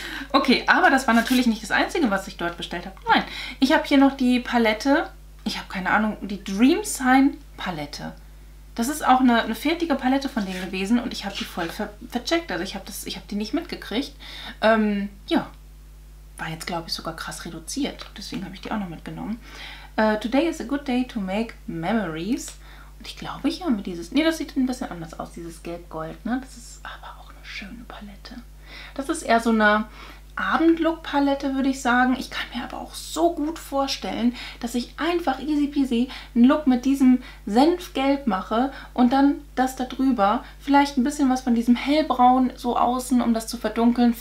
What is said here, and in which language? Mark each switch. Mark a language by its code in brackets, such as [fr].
[de] Okay, aber das war natürlich nicht das Einzige, was ich dort bestellt habe. Nein, ich habe hier noch die Palette. Ich habe keine Ahnung, die Dream Sign Palette. Das ist auch eine fertige Palette von denen gewesen und ich habe die voll vercheckt. Also ich habe die nicht mitgekriegt. Ja. War jetzt, glaube ich, sogar krass reduziert. Deswegen habe ich die auch noch mitgenommen. [en] Today is a good day to make memories. [de] Und ich glaube, ich habe dieses... Nee, das sieht ein bisschen anders aus, dieses Gelb-Gold. Ne? Das ist aber auch eine schöne Palette. Das ist eher so eine Abendlook-Palette, würde ich sagen. Ich kann mir aber auch so gut vorstellen, dass ich einfach [en] easy peasy [de] einen Look mit diesem Senfgelb mache und dann das da drüber, vielleicht ein bisschen was von diesem Hellbraun so außen, um das zu verdunkeln.